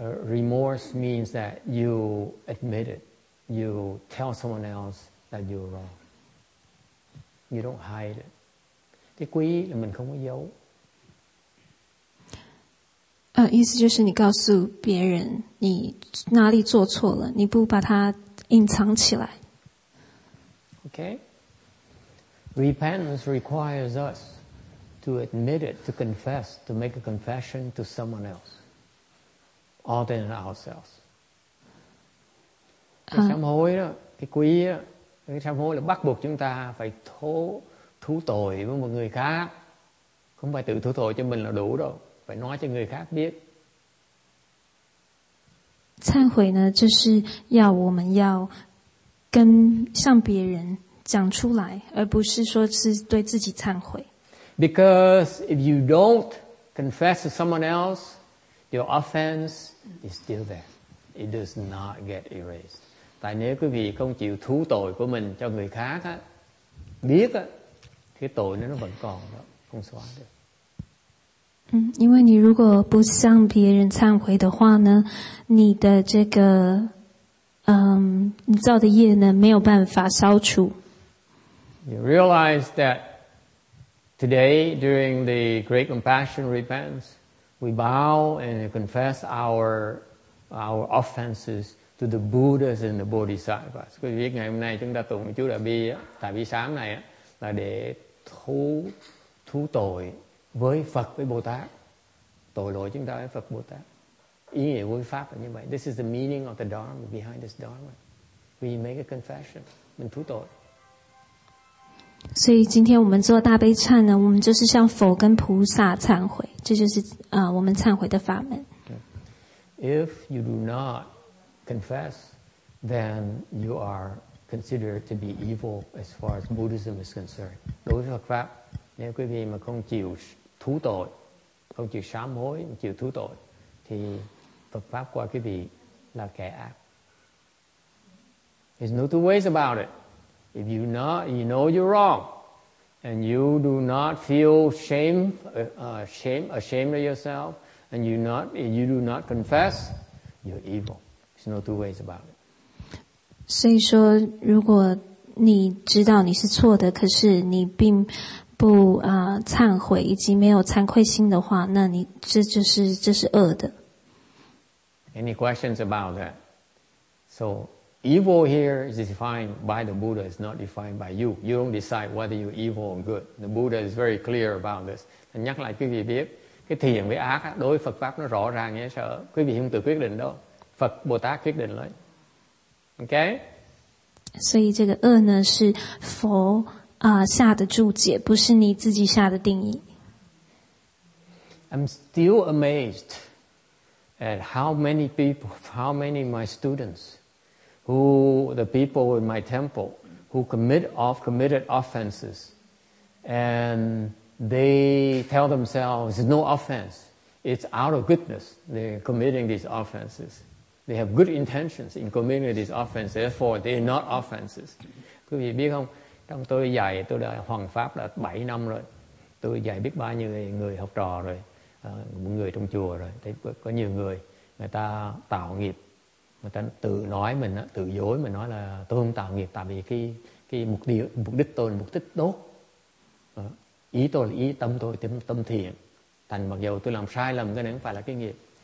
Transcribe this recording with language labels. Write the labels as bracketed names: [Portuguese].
[English] Remorse means that you admit it. You tell someone else that you're wrong. You don't hide it. [Vietnamese] Cái quý là mình không có giấu. [Chinese] 意思就是你告诉别人你哪里做错了，你不把它隐藏起来。 [English] Okay. Repentance requires us to admit it, to confess, to make a confession to someone else, other than ourselves. [Vietnamese] Sám hối đó, cái quý đó, cái sám hối là bắt buộc chúng ta phải thú tội với một người khác. Không phải tự thú tội cho mình là đủ đâu, phải nói cho người khác biết. [Chinese] 忏悔呢，就是要我们要跟向别人。讲出来，而不是说是对自己忏悔。 [English] Because if you don't confess to someone else, your offense is still there. It does not get erased. [Vietnamese] Tại nếu quý vị không chịu thú tội của mình cho người khác á, biết á, thì tội nó vẫn còn đó, không xóa được. [Chinese] 因为你如果不向别人忏悔的话呢，你的这个，你造的业呢，没有办法消除。 [English] You realize that today during the Great Compassion Repentance, we bow and confess our offenses to the Buddhas and the Bodhisattvas. [Vietnamese] Quý vị biết ngày hôm nay chúng ta tụng chú Đại Bi, Đại Bi sáng này là để thú tội với Phật, với Bồ Tát. Tội lỗi chúng ta với Phật, Bồ Tát. Ý nghĩa của Pháp là như vậy. [English] This is the meaning of the Dharma, behind this Dharma. We make a confession. [Vietnamese] Mình thú tội. [Chinese] 所以今天我们做大悲忏呢，我们就是向佛跟菩萨忏悔，这就是我们忏悔的法门。 [English] If you do not confess, then you are considered to be evil as far as Buddhism is concerned. [Chinese] 对佛法，如果你们 [Vietnamese] không chịu thú tội, không chịu sám hối, không chịu thú tội, thì Phật pháp của quý vị là kẻ ác. [English] There's no two ways about it. If you not, you know you're wrong, and you do not feel ashamed of yourself, and you do not confess, you're evil. There's no two ways about it. [Chinese] 所以说，如果你知道你是错的，可是你并不啊忏悔以及没有惭愧心的话，那你这是恶的。 [English] Any questions about that? So evil here is defined by the Buddha, is not defined by you. You don't decide whether you're evil or good. The Buddha is very clear about this. [Vietnamese] Thành nhắc lại quý vị biết, cái thiện với ác đối với Phật pháp nó rõ ràng như sợ. Quý vị không tự quyết định đâu. Phật Bồ Tát quyết định lấy. [English] Okay? [Chinese] 所以这个恶呢是佛啊下的注解，不是你自己下的定义。 [English] I'm still amazed. And how many people, how many of my students, who the people in my temple, who committed offenses, and they tell themselves, it's no offense, it's out of goodness, they're committing these offenses. They have good intentions in committing these offenses, therefore they're not offenses. [Vietnamese] Quý vị biết không, trong tôi dạy, tôi đã hoằng pháp đã 7 năm rồi, tôi dạy biết bao nhiêu người học trò rồi. Một người trong chùa rồi, thấy có nhiều người người ta tạo nghiệp, người ta tự nói mình, tự dối mình nói là tôi không tạo nghiệp tại vì cái mục đích tôi là mục đích tốt, ý tôi là ý tâm tôi tâm thiện, thành mặc dù tôi làm sai lầm cái này cũng phải là cái nghiệp.